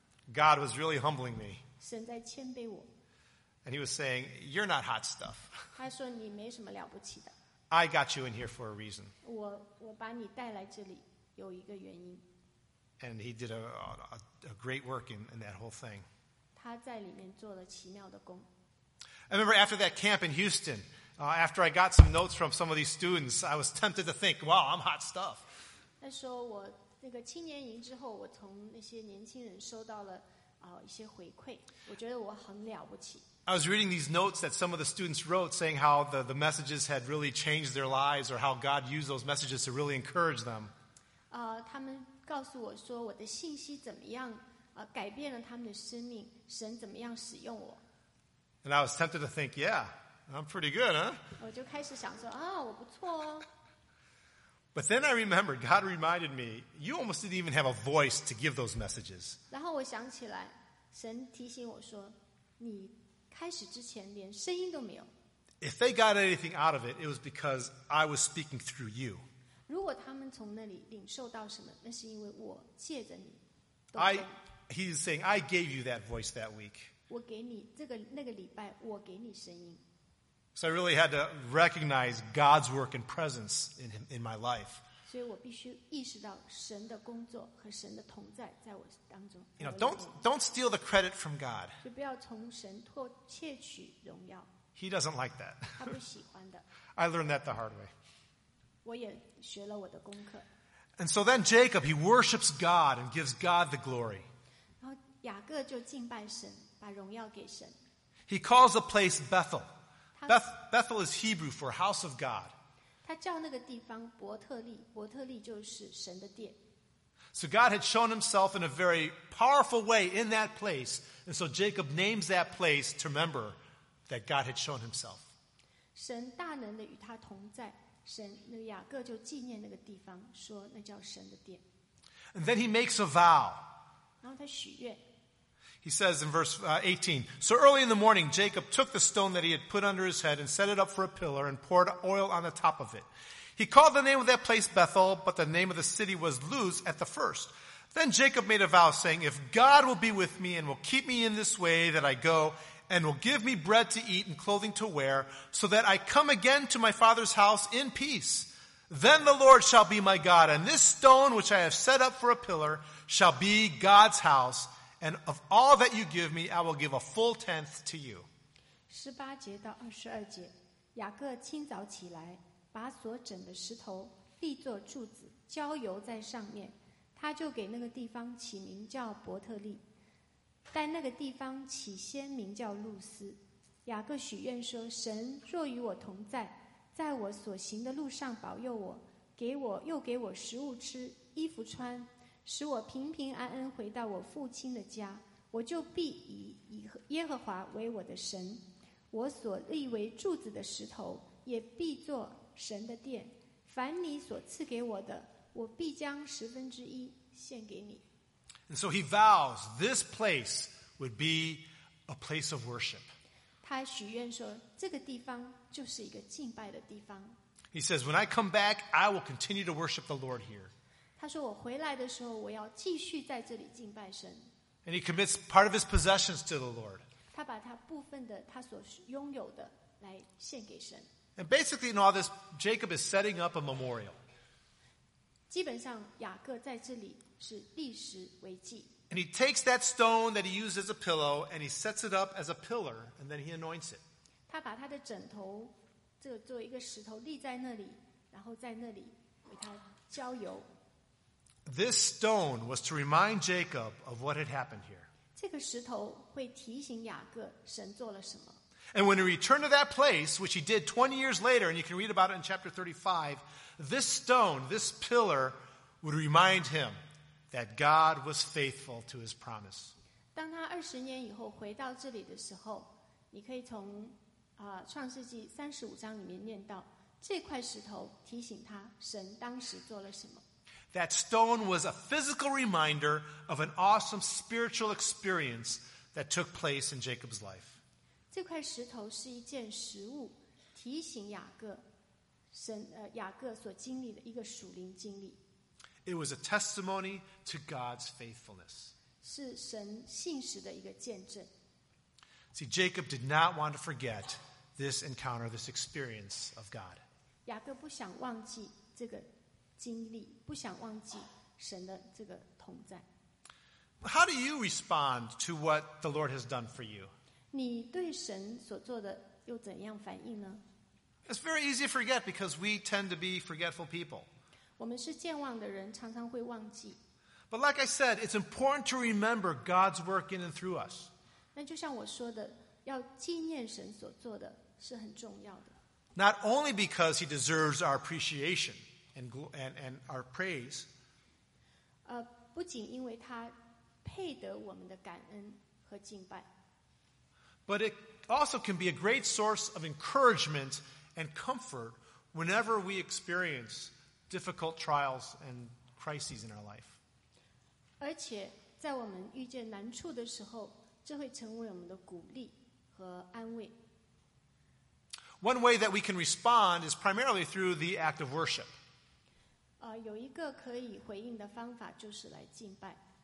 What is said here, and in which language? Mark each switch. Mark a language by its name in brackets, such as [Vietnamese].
[English] God was really humbling me. [Chinese] 神在谦卑我。 [English] And he was saying, you're not hot stuff. [Chinese] 他说你没什么了不起的。 [English] I got you in here for a reason. [Chinese] 我把你带来这里有一个原因。 [English] And he did a great work in that whole thing. [Chinese] 他在里面做了奇妙的工。 [English] I remember after that camp in Houston, after I got some notes from some of these students, I was tempted to think, wow, I'm hot stuff. [Chinese] 那时候我那个青年营之后，我从那些年轻人收到了一些回馈，我觉得我很了不起。 [English] I was reading these notes that some of the students wrote saying how the messages had really changed their lives or how God used those messages to really encourage them. [Chinese] 他们告诉我说我的信息怎么样改变了他们的生命，神怎么样使用我。 [English] And I was tempted to think, yeah, I'm pretty good, huh? [Chinese] 我就开始想说啊，我不错哦。 [English] But then I remembered, God reminded me, you almost didn't even have a voice to give those messages. [Chinese] 然后我想起来，神提醒我说，你开始之前连声音都没有。 [English] If they got anything out of it, it was because I was speaking through you. [Chinese] 如果他们从那里领受到什么，那是因为我借着你。 [English] He's saying, I gave you that voice that week. [Chinese] 我给你这个那个礼拜，我给你声音。 [English] So I really had to recognize God's work and presence in him, in my life. [Chinese] 所以我必须意识到神的工作和神的同在在我当中。 [English] You know, don't steal the credit from God. [Chinese] 就不要从神窃取荣耀。 [English] He doesn't like that. [Chinese] 他不喜欢的。 [English] I learned that the hard way. [Chinese] 我也学了我的功课。 [English] And so then Jacob, he worships God and gives God the glory. [Chinese] 然后雅各就敬拜神，把荣耀给神。 [English] He calls the place Bethel. Bethel is Hebrew for house of God. [Chinese] 他叫那个地方伯特利，伯特利就是神的殿。 [English] So God had shown himself in a very powerful way in that place, and so Jacob names that place to remember that God had shown himself. [Chinese] 神大能的与他同在，神，那个雅各就纪念那个地方，说那叫神的殿。 [English] And then he makes a vow. [Chinese] 然后他许愿。 [English] He says in verse 18, So early in the morning, Jacob took the stone that he had put under his head and set it up for a pillar and poured oil on the top of it. He called the name of that place Bethel, but the name of the city was Luz at the first. Then Jacob made a vow saying, If God will be with me and will keep me in this way that I go and will give me bread to eat and clothing to wear so that I come again to my father's house in peace, then the Lord shall be my God and this stone which I have set up for a pillar shall be God's house. And of all that you give me, I will give a full tenth to you. [Chinese] 18节到22节，雅各清早起来，把所枕的石头立作柱子，浇油在上面，他就给那个地方起名叫伯特利，但那个地方起先名叫路斯。雅各许愿说，神若与我同在，在我所行的路上保佑我，给我又给我食物吃，衣服穿。使我平平安安回到我父亲的家，我就必以耶和华为我的神，我所立为柱子的石头也必作神的殿。凡你所赐给我的，我必将十分之一献给你。 [English] And so he vows this place would be a place of worship. [Chinese] 他许愿说，这个地方就是一个敬拜的地方。 [English] He says, "When I come back, I will continue to worship the Lord here." [Chinese] 他说：“我回来的时候，我要继续在这里敬拜神。” [English] And he commits part of his possessions to the Lord. [Chinese] 他把他部分的他所拥有的来献给神。 [English] And basically, in all this, Jacob is setting up a memorial. [Chinese] 基本上，雅各在这里是立石为记。 [English] And he takes that stone that he used as a pillow, and he sets it up as a pillar, and then he anoints it. [Chinese] 他把他的枕头这个做一个石头立在那里，然后在那里为他浇油。 [English] This stone was to remind Jacob of what had happened here. [Chinese] 这个石头会提醒雅各神做了什么。 [English] And when he returned to that place, which he did 20 years later, and you can read about it in chapter 35, this stone, this pillar, would remind him that God was faithful to his promise. [Chinese] 当他二十年以后回到这里的时候，你可以从创世纪三十五章里面念到这块石头提醒他神当时做了什么。 [English] That stone was a physical reminder of an awesome spiritual experience that took place in Jacob's life. [Chinese] 这块石头是一件实物，提醒雅各，神雅各所经历的一个属灵经历。 [English] It was a testimony to God's faithfulness. [Chinese] 是神信实的一个见证。 [English] See, Jacob did not want to forget this encounter, this experience of God. [Chinese] 雅各不想忘记这个经历，不想忘记神的这个同在。 [English] How do you respond to what the Lord has done for you? [Chinese] 你对神所做的又怎样反应呢？ [English] It's very easy to forget because we tend to be forgetful people. [Chinese] 我们是健忘的人，常常会忘记。 [English] But like I said, it's important to remember God's work in and through us. [Chinese] 那就像我说的，要纪念神所做的是很重要的。 [English] Not only because he deserves our appreciation and our praise. [Chinese] 不仅因为他配得我们的感恩和敬拜。 [English] But it also can be a great source of encouragement and comfort whenever we experience difficult trials and crises in our life. [Chinese] 而且在我们遇见难处的时候，这会成为我们的鼓励和安慰。 [English] One way that we can respond is primarily through the act of worship. [Chinese] 有一个可以回应的方法就是来敬拜。